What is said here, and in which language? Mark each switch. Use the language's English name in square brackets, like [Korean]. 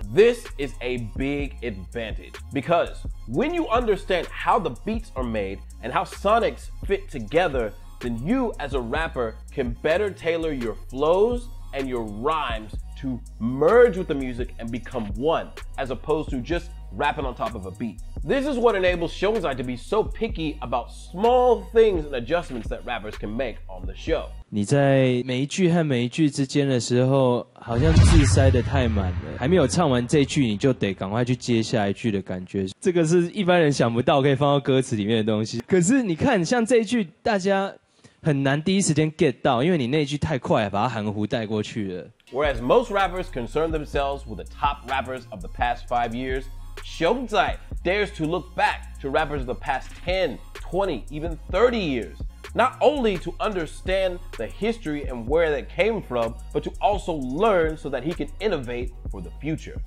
[English] This is a big advantage because when you understand how the beats are made and how sonics fit together, then you as a rapper can better tailor your flows and your rhymes to merge with the music and become one, as opposed to just rapping on top of a beat. This is what enables 熊仔to be so picky about small things and adjustments that rappers can make on the show. [Chinese] 你在每一句和每一句之间的时候，好像字塞得太满了，还没有唱完这句，你就得赶快去接下一句的感觉。这个是一般人想不到可以放到歌词里面的东西。可是你看，像这一句，大家很难第一时间 get 到，因为你那句太快，把它含糊带过去了。 [English] Whereas most rappers concern themselves with the top rappers of the past 5 years. 熊仔 dares to look back to rappers of the past 10, 20, even 30 years, not only to understand the history and where that came from, but to also learn so that he can innovate for the future.